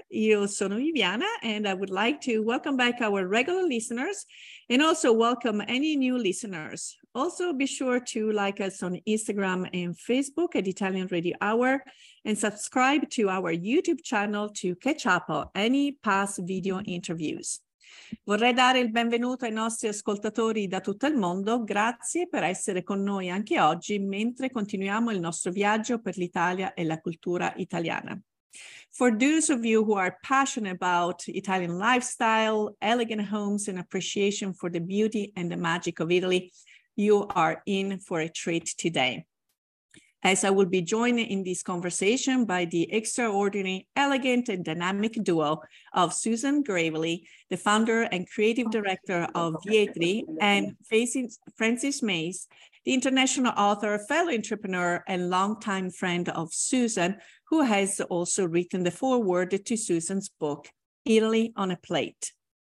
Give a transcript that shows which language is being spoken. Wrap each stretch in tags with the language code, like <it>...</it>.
<it>Io sono Viviana,</it> <en>and I would like to welcome back our regular listeners and also welcome any new listeners. Also, be sure to like us on Instagram and Facebook at Italian Radio Hour and subscribe to our YouTube channel to catch up on any past video interviews.</en> <it>Vorrei dare il benvenuto ai nostri ascoltatori da tutto il mondo. Grazie per essere con noi anche oggi mentre continuiamo il nostro viaggio per l'Italia e la cultura italiana.</it> <en>For those of you who are passionate about Italian lifestyle, elegant homes and appreciation for the beauty and the magic of Italy, you are in for a treat today. As I will be joined in this conversation by the extraordinary, elegant and dynamic duo of Susan Gravely, the founder and creative director of Vietri, and Francis Mays, the international author, fellow entrepreneur and longtime friend of Susan, who has also written the foreword to Susan's book, Italy on a Plate.</en>